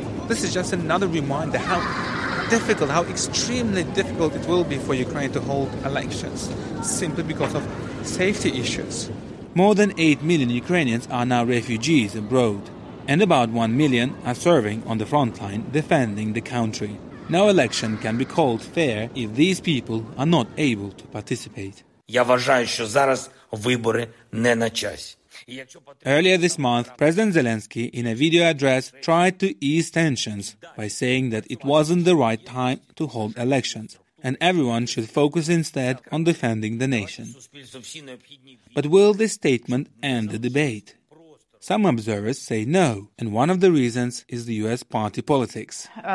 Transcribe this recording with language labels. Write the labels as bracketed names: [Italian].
[English] This is just another reminder how difficult, how extremely difficult it will be for Ukraine to hold elections, simply because of safety issues. More than 8 million Ukrainians are now refugees abroad, and about 1 million are serving on the front line defending the country. No election can be called fair if these people are not able to participate. [Ukrainian] Я вважаю, що зараз вибори не на часі. [English] Earlier this month, President Zelensky, in a video address, tried to ease tensions by saying that it wasn't the right time to hold elections, and everyone should focus instead on defending the nation. But will this statement end the debate? Some observers say no, and one of the reasons is the US party politics.